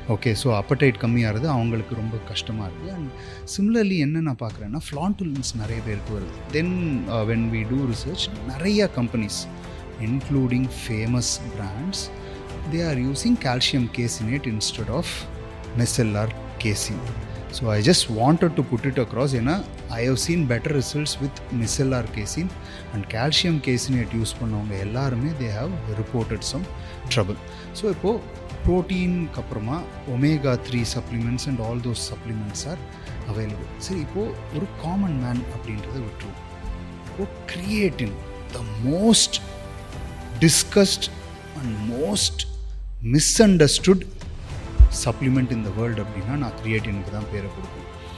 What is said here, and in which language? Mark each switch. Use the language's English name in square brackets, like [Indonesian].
[Tamil] Okay, so அப்பட்டைட் கம்மியாகிறது அவங்களுக்கு ரொம்ப கஷ்டமாக இருக்குது. [English] and similarly [Tamil] என்ன நான் பார்க்குறேன்னா, ஃப்ளாண்டுலன்ஸ் நிறைய பேருக்கு வருது. [English] then when we do research, [Tamil] நிறைய [English] Companies including famous brands, they are using calcium caseinate instead of micellar casein. So I just wanted to put it across, you know, I have seen better results with micellar casein and calcium casein at use [Tamil] பண்ணவங்க எல்லாருமே [English] they have reported some trouble. So [Tamil] இப்போ ப்ரோட்டீனுக்கு அப்புறமா [English] Omega 3 supplements and all those supplements are available. [Tamil] சரி, இப்போது ஒரு common man அப்படின்றத விட்டுருவோம். இப்போ creatine [English] the most discussed and most misunderstood supplement in the world [Tamil] அப்படின்னா நான் கிரியேட்டினுக்கு தான் பேரை கொடுப்பேன்.